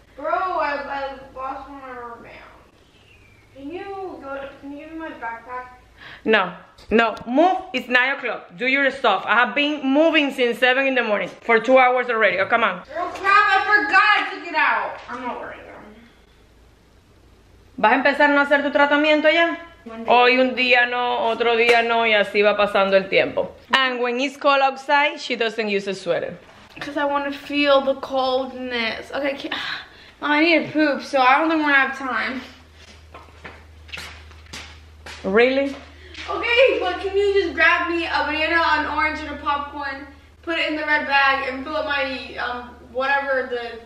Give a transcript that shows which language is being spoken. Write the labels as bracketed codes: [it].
[en] Bro, I lost one of her bands. Can you go, can you give me my backpack? No. No, move, it's 9 o'clock, do your stuff. I have been moving since 7 in the morning for 2 hours already, oh come on. Girl, crap, I forgot I took it out. I'm not worried though. [es] ¿Vas a empezar a no hacer tu tratamiento ya? Hoy un día no, otro día no, y así va pasando el tiempo. [en] And when it's cold outside, she doesn't use a sweater. Because I want to feel the coldness. Okay, mom, I need to poop, so I don't think we're going to have time. Really? Okay, but can you just grab me a banana, an orange, and a popcorn, put it in the red bag, and fill up my, whatever the...